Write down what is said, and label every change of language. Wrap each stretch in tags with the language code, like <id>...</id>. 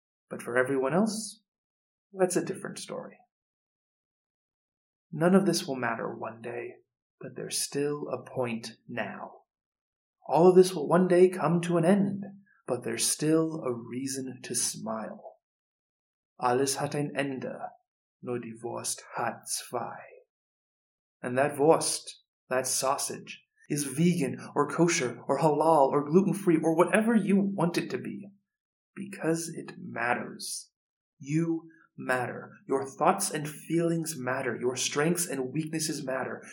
<en>But for everyone else, that's a different story. None of this will matter one day, but there's still a point now. All of this will one day come to an end, but there's still a reason to smile.</en> <de>Alles hat ein Ende, nur die Wurst hat zwei.</de> <en>And that Wurst, that sausage, is vegan or kosher or halal or gluten-free or whatever you want it to be. Because it matters. You matter. Your thoughts and feelings matter. Your strengths and weaknesses matter.</en>